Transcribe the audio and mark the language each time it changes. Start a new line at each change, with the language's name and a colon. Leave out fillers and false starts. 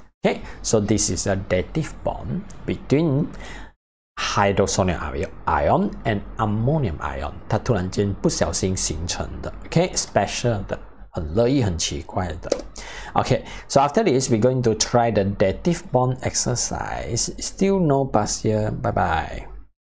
English: Okay, so this is a dative bond between hydrogen ion and ammonium ion.
Chinese: 它突然间不小心形成的。 Okay, special 的，很乐意，很奇怪的。
English: Okay, so after this, we're going to try the dative bond exercise. Still no pass here. Bye bye.